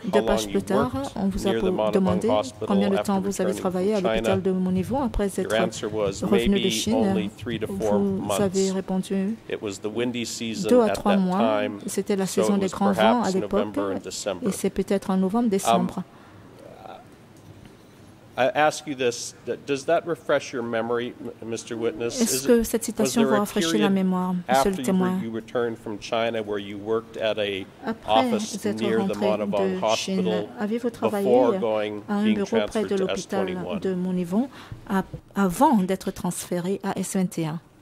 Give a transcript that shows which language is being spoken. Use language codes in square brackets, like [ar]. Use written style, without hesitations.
[fr] deux pages plus tard, on vous a demandé combien de temps vous avez travaillé à l'hôpital de Monivong après être revenu de Chine. Vous avez répondu deux à trois mois. C'était la saison des grands vents à l'époque, et c'est peut-être en novembre-décembre. [en] I ask you this, does that refresh your memory, Mr. Witness? [fr] Est-ce que cette citation vous rafraîchit la mémoire, Monsieur le Témoin? [en] After you returned from China, where you worked at a office near the Monivong Hospital, [fr] avez-vous travaillé à un bureau près de l'hôpital de Monivong avant d'être transféré à S21?